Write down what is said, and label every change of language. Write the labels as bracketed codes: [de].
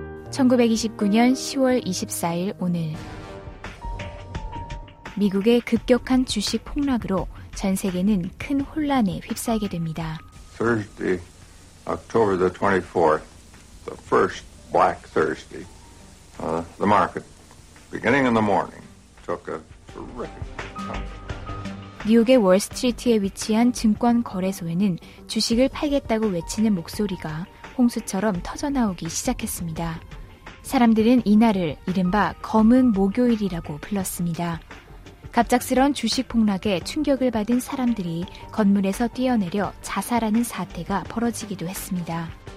[ko] 1929년 10월 24일 오늘 미국의 급격한 주식 폭락으로 전 세계는 큰 혼란에 휩싸이게 됩니다. [en] Thursday, October the 24th, the first Black Thursday. The market, beginning in the morning, took a terrific tumble. [ko] 뉴욕의 월스트리트에 위치한 증권 거래소에는 주식을 팔겠다고 외치는 목소리가 홍수처럼 터져나오기 시작했습니다. 사람들은 이날을 이른바 검은 목요일이라고 불렀습니다. 갑작스런 주식 폭락에 충격을 받은 사람들이 건물에서 뛰어내려 자살하는 사태가 벌어지기도 했습니다.